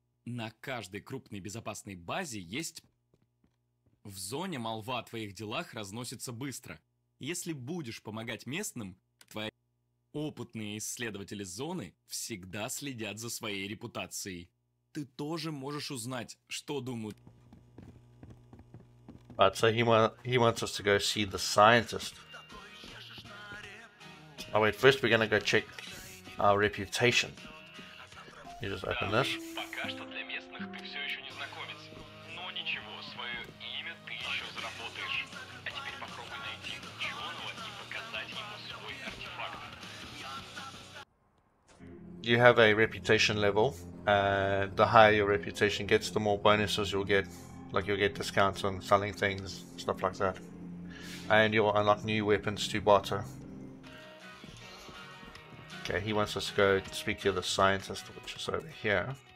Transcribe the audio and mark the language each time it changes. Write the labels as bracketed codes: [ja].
[ru] На каждой крупной безопасной базе есть... В зоне молва о твоих делах разносится быстро. Если будешь помогать местным, твои опытные исследователи зоны всегда следят за своей репутацией. Ты тоже можешь узнать, что думают... [en] He wants us to go see the scientist. Oh wait, first we're gonna go check our reputation. You just open this. [ru] Пока что для местных ты все еще не знакомец. Но ничего, свое имя ты еще заработаешь. А теперь попробуй найти ученого и показать ему свой артефакт. [en] you have a reputation level, and the higher your reputation gets, the more bonuses you'll get. Like, you'll get discounts on selling things, stuff like that. And you'll unlock new weapons to barter. Okay, he wants us to go speak to the scientist, which is over here.